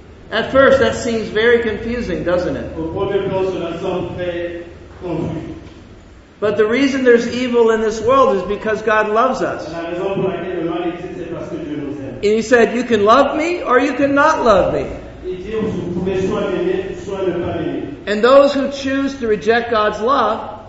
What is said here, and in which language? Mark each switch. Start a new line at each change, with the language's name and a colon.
English: At first, that seems very confusing, doesn't it?
French: Au premier plan, cela semble très confus.
English: But the reason there's evil in this world is because God loves us.
French: La raison pour laquelle le mal existe, c'est parce que Dieu nous aime.
English: And he said, you can love me or you can not love me.
French: Et Dieu, vous pouvez soit m'aimer, soit ne pas m'aimer.
English: And those who choose to reject God's love,